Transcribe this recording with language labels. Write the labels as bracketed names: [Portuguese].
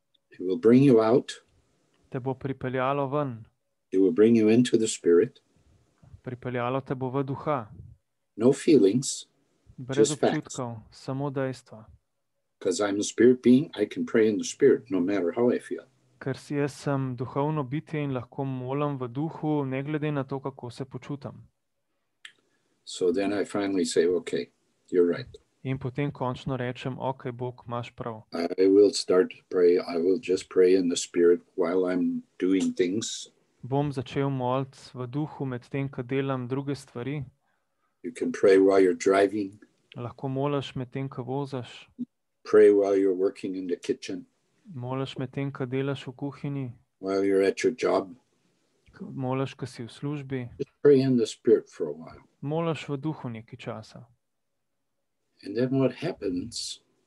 [English] It will bring you out. [Slovenian] Te bo pripeljalo ven. [English] It will bring you into the Spirit. [Slovenian] Pripeljalo te bo v duha. [English] No feelings, [Slovenian] brez [English] just [Slovenian] občutkov, [English] facts. [Slovenian] Samo dejstva. [English] Because I'm a spirit being, I can pray in the spirit, no matter how I feel. [Slovenian] Ker si jaz sem duhovno bitje in lahko molim v duhu, ne glede na to, kako se počutam. [English] So then I finally say, okay, you're right. [Slovenian] In potem končno rečem, okay, Bog, imaš prav. [English] I will start to pray, I will just pray in the spirit while I'm doing things. [Slovenian] Bom začel molit v duhu med tem, ko delam druge stvari. [English] You can pray while you're driving. [Slovenian] Lahko moliš med tem, ko voziš. [English] Pray while you're working in the kitchen. [Slovenian] Moliš med tem, ko delaš v kuhini. [English] While you're at your job. [Slovenian] Moliš, ko si v službi. [English] Just pray in the spirit for a while. [Slovenian] Moliš v duhu nekaj časa. [English] And then what happens?